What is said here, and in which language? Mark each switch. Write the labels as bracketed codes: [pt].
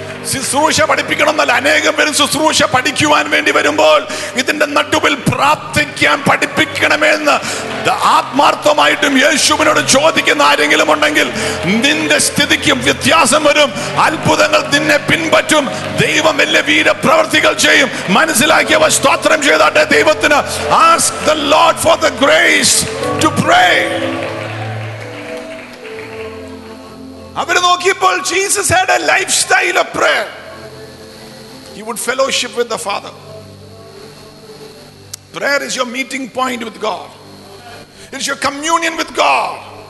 [ml] ശുശ്രൂഷ പഠിപ്പിക്കണം എന്നല്ല, അനേകം പേരും ശുശ്രൂഷ പഠിക്കുവാൻ വേണ്ടി വരുമ്പോൾ ഇതിന്റെ നടുവിൽ പ്രാർത്ഥിക്കാൻ പഠിപ്പിക്കണമെന്ന് ആത്മാർത്ഥമായിട്ടും യേശുവിനോട് ചോദിക്കുന്ന ആരെങ്കിലും ഉണ്ടെങ്കിൽ നിന്റെ സ്ഥിതിക്കും വ്യത്യാസം വരും, അത്ഭുതങ്ങൾ നിന്നെ പിൻപറ്റും, ദൈവം വലിയ വീരപ്രവൃത്തികൾ ചെയ്യും. മനസ്സിലാക്കിയവ സ്തോത്രം ചെയ്താട്ടെ ദൈവത്തിന്. [en] Ask the Lord for the grace to pray. [ml] അവര് നോക്കിയപ്പോൾ [en] Jesus had a lifestyle of prayer. He would fellowship with the Father. Prayer is your meeting point with God. It's your communion with God.